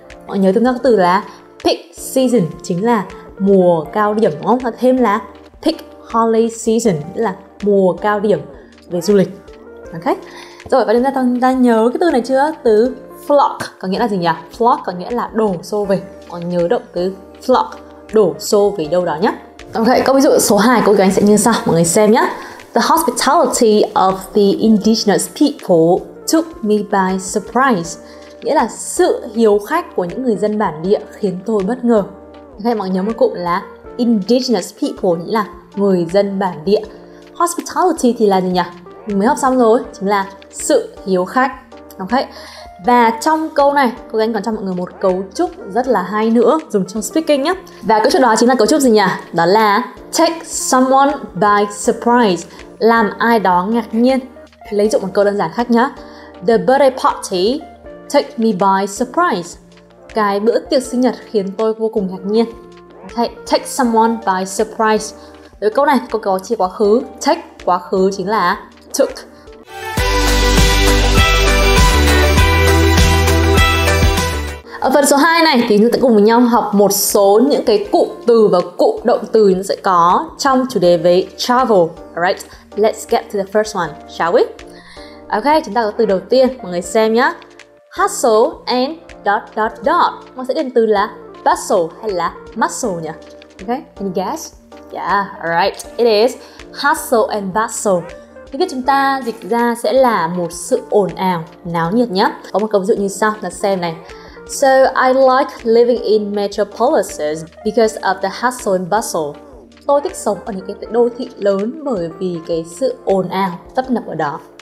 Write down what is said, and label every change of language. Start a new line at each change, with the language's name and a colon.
Vietnamese: Mọi người nhớ thêm các từ là peak season, chính là mùa cao điểm đúng không? Và thêm là peak holiday season, nghĩa là mùa cao điểm về du lịch. Ok. Rồi, và chúng ta nhớ cái từ này chưa? Từ flock có nghĩa là gì nhỉ? Flock có nghĩa là đổ xô về. Còn nhớ động từ flock, đổ xô về đâu đó nhá. Ok, câu ví dụ số 2 của anh sẽ như sau. Mọi người xem nhá.
English: The hospitality of the indigenous people took me by surprise.
Vietnamese: Nghĩa là sự hiếu khách của những người dân bản địa khiến tôi bất ngờ. Ok, mọi người nhớ một cụm là indigenous people, nghĩa là người dân bản địa. Hospitality thì là gì nhỉ? Mình mới học xong rồi, chính là sự hiếu khách. Ok. Và trong câu này, cô gái còn cho mọi người một cấu trúc rất là hay nữa, dùng trong speaking nhé. Và cấu trúc đó chính là cấu trúc gì nhỉ? Đó là
English: take someone by surprise,
Vietnamese: làm ai đó ngạc nhiên. Lấy dụng một câu đơn giản khác nhé.
English: The birthday party take me by surprise.
Vietnamese: Cái bữa tiệc sinh nhật khiến tôi vô cùng ngạc nhiên. Okay.
English: Take someone by surprise.
Vietnamese: Với câu này, cô có chỉ quá khứ. Take quá khứ chính là took. Ở phần số 2 này thì chúng ta cùng với nhau học một số những cái cụm từ và cụm động từ nó sẽ có trong chủ đề về travel.
English: Alright, let's get to the first one, shall we?
Vietnamese: Ok, chúng ta có từ đầu tiên, mọi người xem nhá.
English: Hustle and dot dot dot.
Vietnamese: Mình sẽ điền từ là bustle hay là muscle nhỉ?
English: Ok, can you guess? Yeah, alright, it is hustle and bustle.
Vietnamese: Thì viết chúng ta dịch ra sẽ là một sự ồn ào, náo nhiệt nhé. Có một câu ví dụ như sau, là xem này.
English: So I like living in metropolises because of the hustle and bustle.
Vietnamese: tôi thích sống ở những cái đô thị lớn bởi vì cái sự ồn ào tấp nập ở đó.